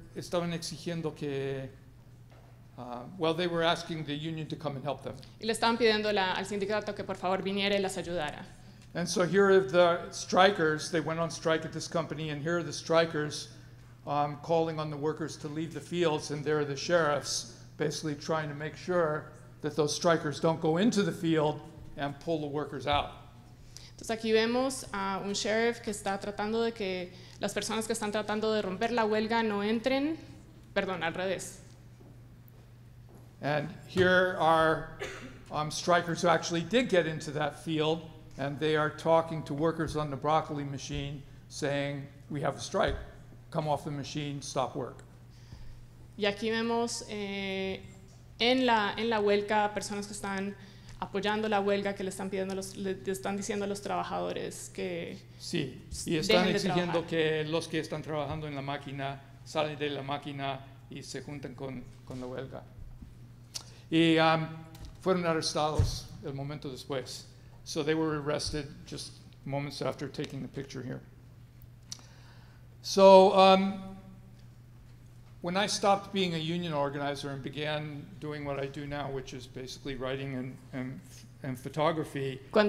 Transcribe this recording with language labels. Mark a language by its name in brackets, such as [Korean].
[Spanish] Estaban exigiendo que, [English] they were asking the union to come and help them. [Spanish] Y le estaban pidiendo al sindicato que por favor viniera y las ayudara. [English] And so here are the strikers. They went on strike at this company, and here are the strikers calling on the workers to leave the fields, and there are the sheriffs basically trying to make sure that those strikers don't go into the field and pull the workers out. [Spanish] Entonces aquí vemos a un sheriff que está tratando de que las personas que están tratando de romper la huelga no entren, perdón, al revés. And here are strikers who actually did get into that field, and they are talking to workers on the broccoli machine saying, we have a strike, come off the machine, stop work. Y aquí vemos en la huelga personas que están apoyando la huelga, que le están diciendo a los trabajadores que sí, y están exigiendo que los que están trabajando en la máquina salen de la máquina y se junten con la huelga. Y fueron arrestados el momento después. [English] So they were arrested just moments after taking the picture here. So when I stopped being a union organizer and began doing what I do now, which is basically writing and photography.